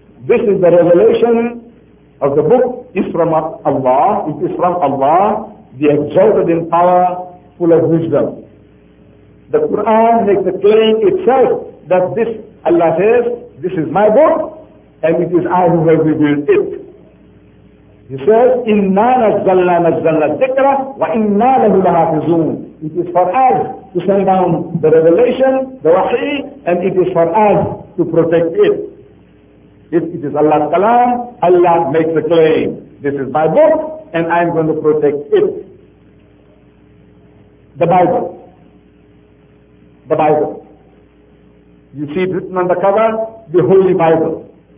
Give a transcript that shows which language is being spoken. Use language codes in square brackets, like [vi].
[en] This is the revelation of the book, is from Allah, it is from Allah, the exalted in power, full of wisdom. The Quran makes the claim itself that this, Allah says, this is my book, and it is I who have revealed it. He says, [ar] إِنَّا نَزَّلْنَا نَزَّلْنَا الذِّكْرَ وَإِنَّا لَهُ لَحَافِظُونَ. [en] It is for us to send down the revelation, the wahi, and it is for us to protect it. If it is Allah's kalam, Allah makes the claim. This is my book, and I am going to protect it. The Bible. The Bible. You see it written on the cover, the Holy Bible.